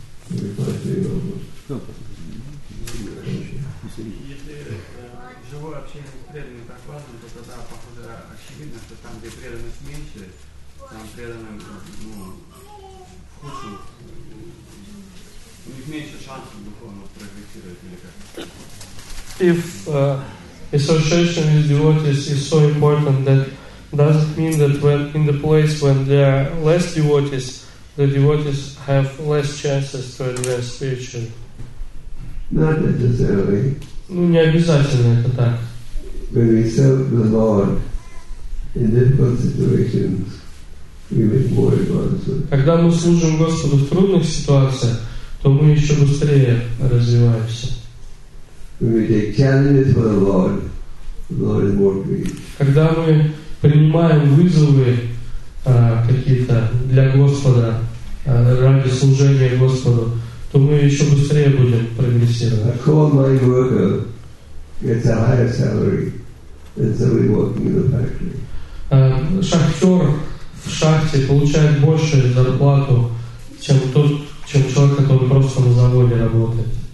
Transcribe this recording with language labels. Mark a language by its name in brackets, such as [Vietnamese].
[Russian] Если живое общение с преданным так важно, то тогда, похоже, очевидно, что там, где преданность меньше, там преданным хуже. У них меньше шансов духовно прогрессировать или как? [English] If association with devotees is so important, that does it mean that when in the place when there are less devotees, the devotees have less chances to advance spiritually? Not necessarily. [Russian] Ну, не обязательно это так. [English] When we serve the Lord in difficult situations, we make more advances. [Russian] Когда мы служим Господу в трудных ситуациях, то мы еще быстрее развиваемся. [English] When we take challenges for the Lord is more pleased. [Russian] Когда мы принимаем вызовы какие-то для Господа, ради служения Господу, то мы еще быстрее будем прогрессировать. [English] A cold mind worker gets a higher salary than somebody working in the factory. [Russian] Шахтер в шахте получает большую зарплату, чем человек, который просто на заводе работает.